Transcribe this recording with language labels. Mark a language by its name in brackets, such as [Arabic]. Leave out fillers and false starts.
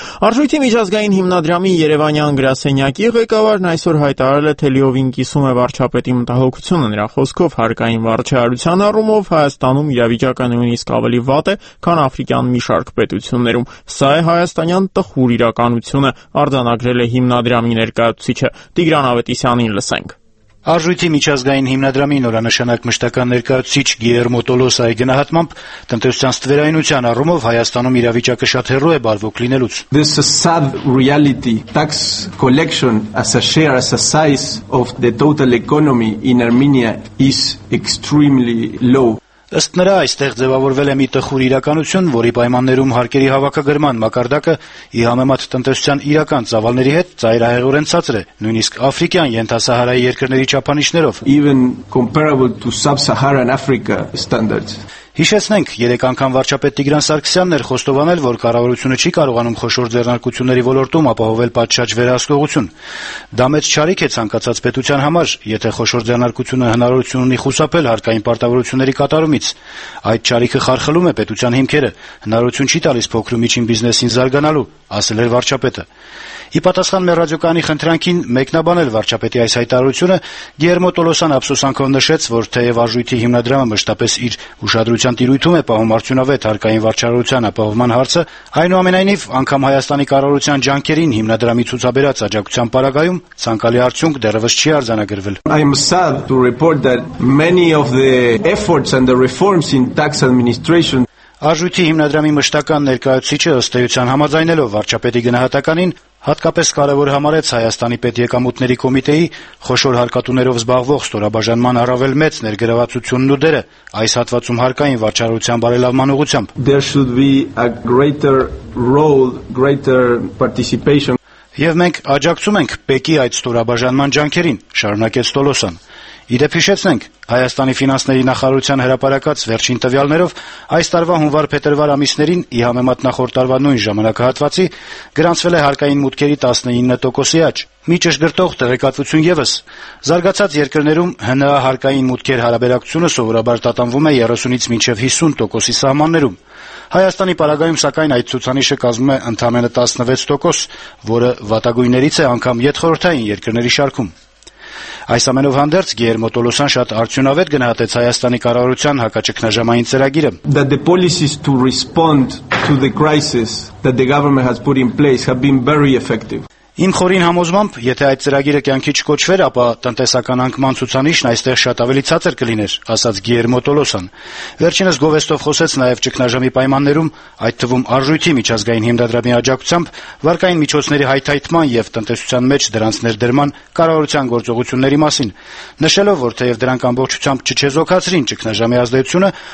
[Armenian] Արժույթի միջազգային հիմնադրամի Երևանյան գրասենյակի ղեկավարն այսօր հայտարարել է, թե լիովին կիսում է վարչապետի մտահոգությունը, նրա խոսքով հարկային վարչահարության առումով Հայաստանում իրավիճակը նույնիսկ ավելի վատ է, քան աֆրիկյան մի շարք պետություններում։ Սա է հայաստանյան խուր իրականությունը, արձանագրել է հիմնադրամի ներկայացուցիչը Տիգրան Ավետիսյանին, լսենք։ Արժույթի միջազգային հիմնադրամի նորանշանակ մշտական ներկայացուցիչ Գիերմո Տոլոս այ գնահատմամբ տնտեսության ստվերայնության առումով Հայաստանում իրավիճակը շատ հեռու է բարվոք լինելուց։ [English] This is a sad reality. Tax collection as a share as a size of the total economy in Armenia is extremely low. [Armenian] Ըստ նրա, այստեղ ձևավորվել է մի տխուր իրականություն, որի պայմաններում հարկերի հավաքագրման մակարդակը ի համեմատ տնտեսության իրական ծավալների հետ ծայրահեղորեն ցածր է, նույնիսկ աֆրիկյան ենթասահարայի երկրների չափանիշներով. [English] Even comparable to sub-Saharan Africa standards. [Armenian] Հիշեցնենք, երեք անգամ վարչապետ Տիգրան Սարգսյանն էր խոստովանել, որ կառավարությունը չի կարողանում խոշոր ձեռնարկությունների ոլորտում ապահովել պատշաճ վերահսկողություն։ Դա մեծ չարիք է ցանկացած պետության համար, եթե խոշոր ձեռնարկությունը հնարավորություն ունի խուսափել հարկային պարտավորությունների կատարումից։ Այդ չարիքը խարխլում է պետության հիմքերը, հնարավորություն չի տալիս փոքր ու միջին բիզնեսին զարգանալու, ասել էր վարչապետը։ Ի պատասխան մեր ռադիոկանի խնդրանքին մեկնաբանել վարչապետի այս հայտարարությունը, Գիերմո Տոլոսան ափսոսանքով նշեց, որ թեև արժույթի հիմնադրամը մշտապես իր ուշադրության տիրույթում է պահում արդյունավետ հարկային վարչարարության ապահովման հարցը, այնուամենայնիվ, անգամ Հայաստանի կառավարության ջանքերին հիմնադրամի ցուցաբերած աջակցության պարագայում ցանկալի արդյունք դեռևս չի արձանագրվել։ [English] I am sad to report that many of the efforts and the reforms in tax administration. [Armenian] Արժույթի հիմնադրամի մշտական ներկայացուցիչը ըստեյության համաձայնելով վարչապետի գնահատականին հատկապես կարևոր համարեց Հայաստանի պետ եկամուտների կոմիտեի խոշոր հարկատուներով զբաղվող ստորաբաժանման առավել մեծ ներգրավվածությունն ու դերը այս հատվածում հարկային վարչարարության բարելավման ուղղությամբ։ [English] There should be a greater role, greater participation. [Armenian] Եվ մենք աջակցում ենք ՊԵԿ-ի այդ ստորաբաժանման ջանքերին, շարունակեց Տոլոսան։ Իդեպիշեցնենք, Հայաստանի ֆինանսների նախարարության հրապարակած վերջին տվյալներով այս տարվա հունվար-փետրվար ամիսներին ի համեմատ նախորդ տարվա նույն ժամանակահատվածի գրանցվել է հարկային մուտքերի 19% աճ։ Մի ճշգրտող տեղեկատվություն ևս, զարգացած երկրներում ՀՆԱ հարկային մուտքեր հարաբերակցությունը սովորաբար տատանվում է 30-ից մինչև 50% սահմաններում։ Հայաստանի պարագայում, սակայն, այդ ցուցանիշը կազմում է ընդամենը 16%, որը վատագույններից է անգամ 7-րդային երկրների շարքում։ Այս ամենով հանդերձ Գիերմո Տոլոսան շատ արդյունավետ գնահատեց Հայաստանի կառավարության հակաճգնաժամային ծրագիրը. [English] That the policies to respond to the crisis that the government has put in place have been very effective. [Armenian] Իմ խորին համոզմամբ, եթե այդ ծրագիրը կյանքի չկոչվեր, ապա տնտեսական անկման ցուցանիշն այստեղ շատ ավելի ցածր կլիներ, ասաց Գիերմո Տոլոսան։ Վերջինս գովեստով խոսեց նաև ճգնաժամի պայմաններում, այդ թվում արժույթի միջազգային հիմնադրամի աջակցությամբ, վարկային միջոցների հայթայթման և տնտեսության մեջ դրանց ներդրման կարևորության գործողությունների մասին, նշելով, որ թեև դրանք ամբողջությամբ չչեզոքացրին ճգնաժամի ազդեցությունը,